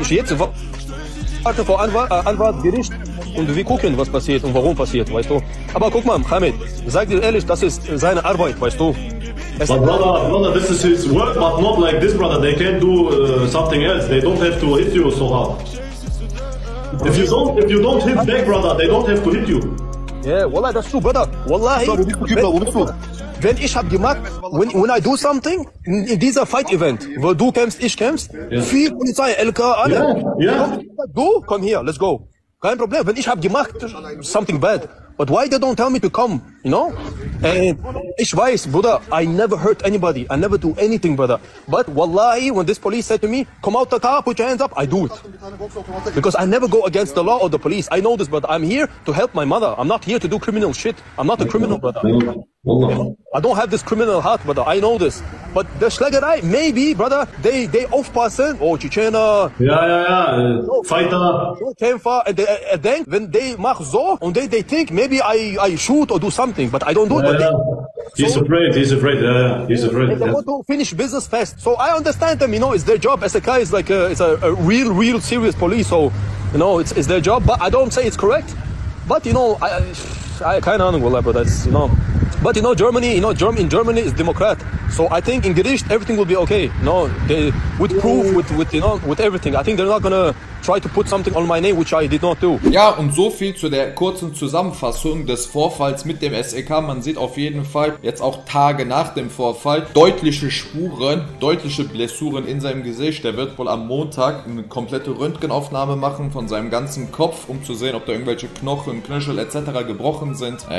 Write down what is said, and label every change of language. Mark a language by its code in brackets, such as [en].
[de] Ich jetzt warte vor Anwalt, Gericht. Und wir gucken, was passiert und warum passiert, weißt du? Aber guck mal, Hamid, sag dir ehrlich, das ist seine Arbeit, weißt du? [en] Es but brother, this is his work, but not like this, brother. They can't do something else. They don't have to hit you so hard. If you don't hit back, brother, they don't have to hit you. Yeah, wallah, that's true, brother. Wallah, [de] sorry, wo bist du? wenn ich hab gemacht, [en] when I do something, [de] in dieser Fight-Event, wo du kämpfst, ich kämpfst, ja. Viel Polizei, LK, alle. Ja. Ja. Du, komm hier, [en] let's go. [de] Kein Problem, wenn ich hab gemacht, [en] something bad. But why they don't tell me to come, you know? [de] Ich weiß, Bruder, [en] I never hurt anybody. I never do anything, Bruder. But wallahi, when this police said to me, come out the car, put your hands up, I do it. Because I never go against the law or the police. I know this, Bruder. I'm here to help my mother. I'm not here to do criminal shit. I'm not a criminal, Bruder. I don't have this criminal heart, Bruder. I know this. But the Schlägerei, maybe, Bruder, they aufpassen. Oh, Chechena. [de] Ja, ja, ja. Fighter. Kämpfer. [en] And they think, when they [de] mach so, [en] and they think, maybe I shoot or do something, but I don't do it. Yeah. He's afraid. He's afraid. They want to finish business fast. So I understand them, you know, it's their job. SLK is like it's a real, real serious police. So, you know, it's their job. But I don't say it's correct. But, you know, I kind of know, but that's, you know. But, you know, Germany, you know, in Germany is Democrat. So I think in Gericht, everything will be okay. No, with proof, with you know, with everything. I think they're not going to try to put something on my name, which I did not do. [de] Ja, und so viel zu der kurzen Zusammenfassung des Vorfalls mit dem SEK. Man sieht auf jeden Fall jetzt auch Tage nach dem Vorfall deutliche Spuren, deutliche Blessuren in seinem Gesicht. Der wird wohl am Montag eine komplette Röntgenaufnahme machen von seinem ganzen Kopf, um zu sehen, ob da irgendwelche Knochen, Knöchel etc. gebrochen sind.